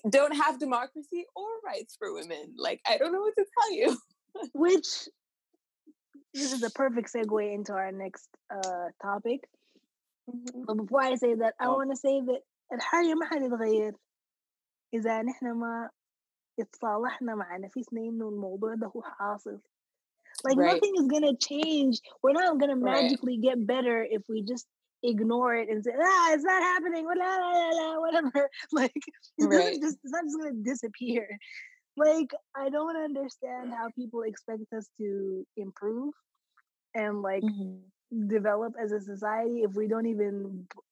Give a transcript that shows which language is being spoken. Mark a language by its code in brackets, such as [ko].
[en] We don't have democracy or rights for women. Like, I don't know what to tell you. Which, this is a perfect segue into our next topic. But before I say that, [ar] I want to say that الحالية ما حتتغير إذا نحن ما اتصالحنا مع نفسنا انه الموضوع ده هو حاصل. [en] Like right. nothing is gonna change. We're not gonna magically right. get better if we just ignore it and say, ah, it's not happening, whatever. Like, it's not just gonna disappear. Like, I don't understand how people expect us to improve and like mm-hmm. develop as a society if we don't even